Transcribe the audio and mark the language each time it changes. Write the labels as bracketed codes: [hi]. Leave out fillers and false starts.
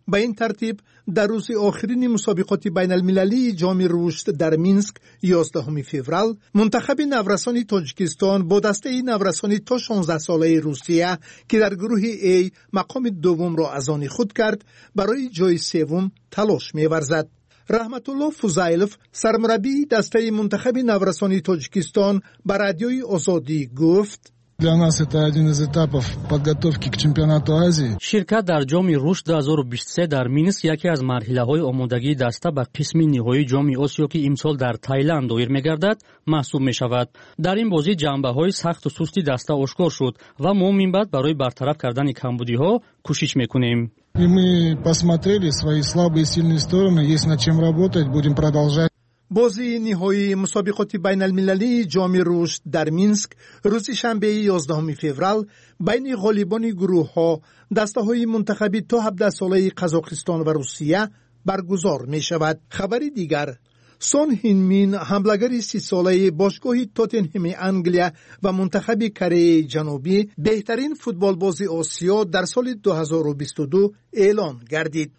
[tg] به این ترتیب در روز آخرین مسابقات بین المللی جام روشت در مینسک 11 فوریه منتخب نورسان تاجیکستان با دسته نورسان تا 16 ساله روسیه که در گروه A مقام دوم را از آن خود کرد برای جای سوم تلاش می‌ورزد. رحمت الله فوزایلوف سرمربی دسته منتخب نورسان تاجیکستان به رادیوی آزادی گفت: [ru] Для нас это один из этапов подготовки к чемпионату Азии. [tg] Ширкат дар ҷоми Руш 2023 дар Минск яке аз марҳилаҳои омодагии даста ба қисми ниҳои ҷоми Осиё ки имсол дар Таиланд доир мегардад, маҳсуб мешавад. Дар ин бозӣ ҷанбаҳои сахту сусти даста ошкор шуд ва мо минбаъд барои бартараф кардани камбудиҳо кӯшиш мекунем. [ru] И мы посмотрели свои слабые и сильные стороны, есть над чем работать, будем продолжать. [tg] بازی نهایی مسابقات بین المللی جام روش در مینسک روز شنبه 11 فوریه بین غالبان گروه ها دسته های منتخبی تا 17 ساله قزاقستان و روسیه برگزار می شود. خبر دیگر، سون هین مین حملگر 30 ساله باشگاه تاتنهم انگلیا و منتخب کره جنوبی بهترین فوتبال باز آسیا در سال 2022 اعلان گردید.